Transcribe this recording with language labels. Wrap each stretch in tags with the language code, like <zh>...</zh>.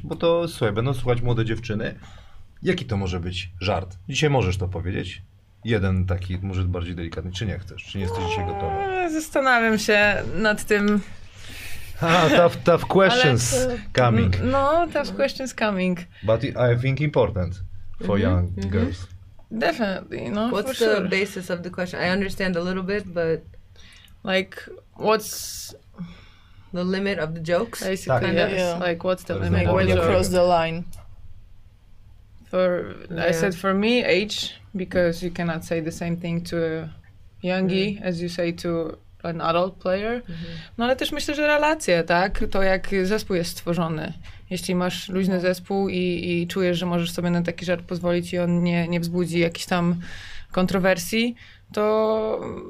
<pl>Bo to, słuchaj, będą słuchać młode dziewczyny. Jaki to może być żart? Dzisiaj możesz to powiedzieć? Jeden taki, może bardziej delikatny. Czy nie chcesz? Czy nie jesteś dzisiaj gotowy? Zastanawiam się nad tym.</pl> <en>Tough questions coming. No, tough questions coming. But I think important for young girls. Definitely, no. What's for the sure. basis of the question? I understand a little bit, but... Like, what's... The limit of the jokes? Basically, yes. Yeah. Like, what's the limit? When you cross the line. I said for me, age, because you cannot say the same thing to a youngie, as you say to an adult player. Mm-hmm.</en> <pl>No ale też myślę, że relacje, tak? To jak zespół jest stworzony. Jeśli masz luźny zespół i czujesz, że możesz sobie na taki żart pozwolić i on nie wzbudzi jakichś tam kontrowersji, to...</pl>